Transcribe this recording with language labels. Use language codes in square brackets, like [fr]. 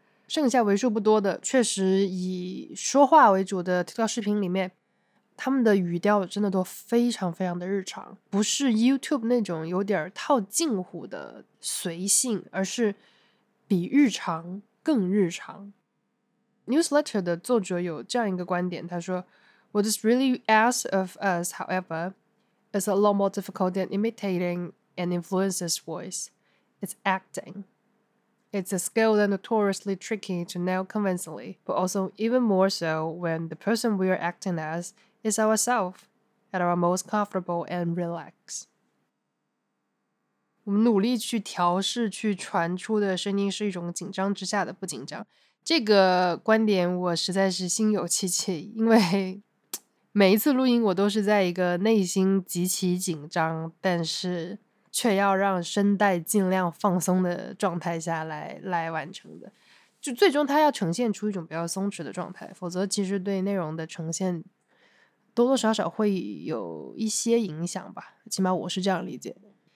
[zh] 剩下为数不多的，确实以说话为主的 TikTok 视频里面，他们的语调真的都非常非常的日常，不是 YouTube 那种有点套近乎的随性，而是比日常更日常。 Newsletter 的作者有这样一个观点，他说 [en] What is really asked of us, however, is a lot more difficult than imitating an influencer's voice. It's acting. It's a skill that's notoriously tricky to nail convincingly, but also even more so when the person we are acting as is ourselves at our most comfortable and relaxed. [zh] 我们努力去调试去传出的声音是一种紧张之下的不紧张，这个观点我实在是心有戚戚，因为每一次录音我都是在一个内心极其紧张但是却要让声带尽量放松的状态下来完成的，就最终它要呈现出一种比较松弛的状态，否则其实对内容的呈现多多少少会有一些影响吧，起码我是这样理解的。